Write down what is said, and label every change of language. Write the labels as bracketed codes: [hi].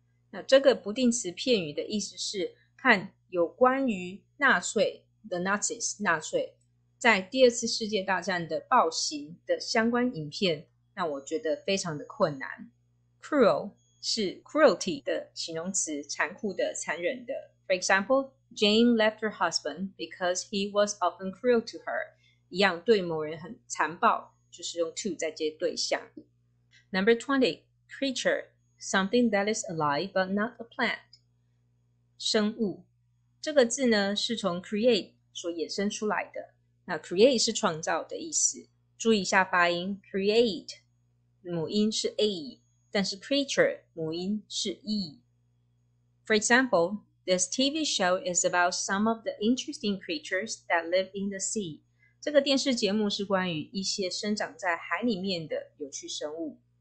[zh] 那这个不定词片语的意思是看有关于纳粹 the Nazis 纳粹在第二次世界大战的暴行的相关影片，那我觉得非常的困难。 Cruel是 cruelty 的形容词，残酷的，残忍的。 [en] For example, Jane left her husband because he was often cruel to her. [zh] 一样对某人很残暴，就是用 to 再接对象。 [en] Number 20, creature, something that is alive but not a plant. [zh] 生物，这个字呢，是从 create 所衍生出来的。那 create 是创造的意思。注意一下发音， create, 母音是 a。但是 creature 母音是 e。 [en] For example, this TV show is about some of the interesting creatures that live in the sea. [zh] 这个电视节目是关于一些生长在海里面的有趣生物。